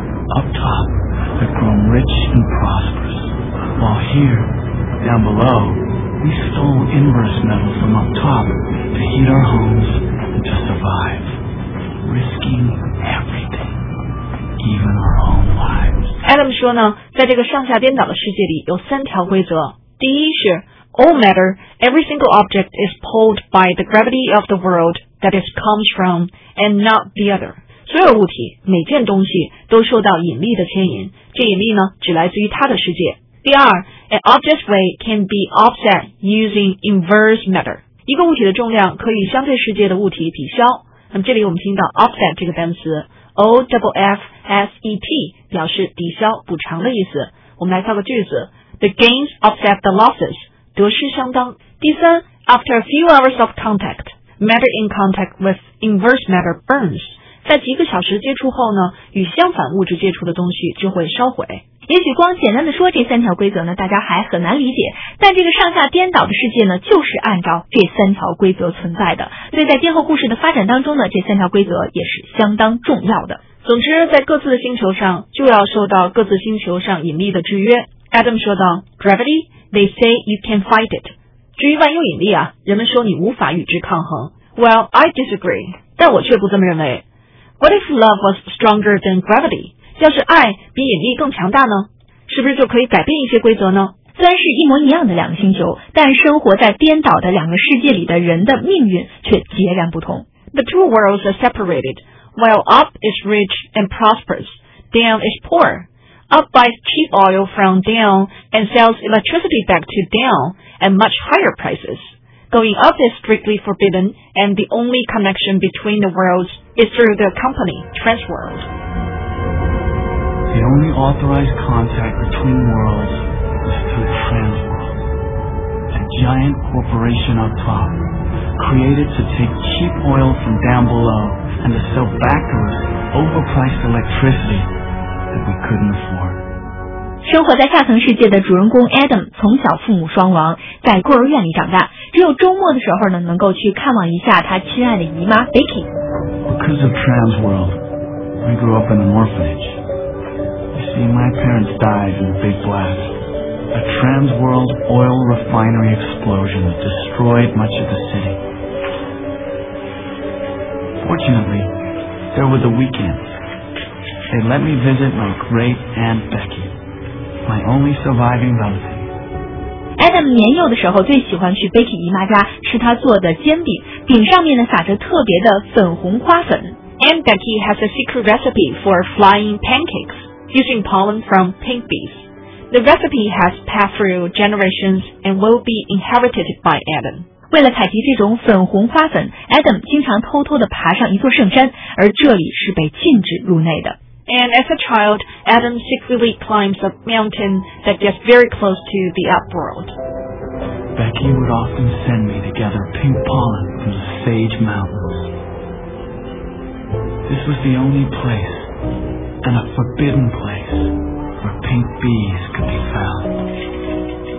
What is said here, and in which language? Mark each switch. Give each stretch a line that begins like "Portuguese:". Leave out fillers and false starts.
English: Up top, they've grown rich and prosperous, while here, down below, we stole inverse metal from up top to heat our homes and to survive. Risking everything, even our own lives.
Chinese: Adam 说呢，在这个上下颠倒的世界里有三条规则。第一是
English: All matter, every single object is pulled by the gravity of the world that it comes from and not the other.
Chinese: 所有物体每件东西都受到引力的牵引，这引力呢只来自于它的世界。第二，
English: An object's weight can be offset using inverse matter.
Chinese: 一个物体的重量可以相对世界的物体抵消。那么这里我们听到 offset 这个单词 O-F-F-S-E-T 表示抵消补偿的意思。我们来造个句子
English: The gains offset the losses
Chinese: 得失相当。第三
English: After a few hours of contact matter in contact with inverse matter burns
Chinese: 在几个小时接触后呢，与相反物质接触的东西就会烧毁。也许光简单的说这三条规则呢，大家还很难理解，但这个上下颠倒的世界呢，就是按照这三条规则存在的，所以在今后故事的发展当中呢，这三条规则也是相当重要的。总之在各自的星球上就要受到各自星球上引力的制约。
English: Adam
Chinese: 说道
English: Gravity, they say you can't fight it.
Chinese: 至于万有引力啊，人们说你无法与之抗衡。
English: Well, I disagree.
Chinese: 但我却不这么认为。
English: What if love was stronger than gravity?
Chinese: 要是爱比引力更强大呢，是不是就可以改变一些规则呢？虽然是一模一样的两个星球，但生活在颠倒的两个世界里的人的命运却截然不同。
English: The two worlds are separated. While up is rich and prosperous, down is poor. Up buys cheap oil from down and sells electricity back to down at much higher prices. Going up is strictly forbidden and the only connection between the worlds is through the company, Transworld. The only authorized contact between worlds is through Transworld, a giant corporation up top, created to take cheap oil from down below and to sell back to us overpriced electricity that we couldn't afford.
Chinese: 生活在下层世界的主人公 Adam 从小父母双亡，在孤儿院里长大，只有周末的时候呢，能够去看望一下他亲爱的姨妈 Vicky.
English: Because of Transworld, we grew up in an orphanage. You see, my parents died in a big blast. A trans-world oil refinery explosion that destroyed much of the city. Fortunately, there were the weekends. They let me visit my great-aunt Becky, my only surviving relative.
Chinese: Adam 年幼的时候最喜欢去 Becky 姨妈家吃她做的煎饼，饼上面呢撒着特别的粉红花粉。
English: Aunt Becky has a secret recipe for flying pancakes using pollen from pink bees. The recipe has passed through generations and will be inherited by Adam.
Chinese: 为了采集这种粉红花粉， Adam 经常偷偷地爬上一座圣山，而这里是被禁止入内的。
English: And as a child, Adam secretly climbs a mountain that gets very close to the upworld. Becky would often send me to gather pink pollen from the sage mountains. This was the only place, and a forbidden place, where pink bees could be found.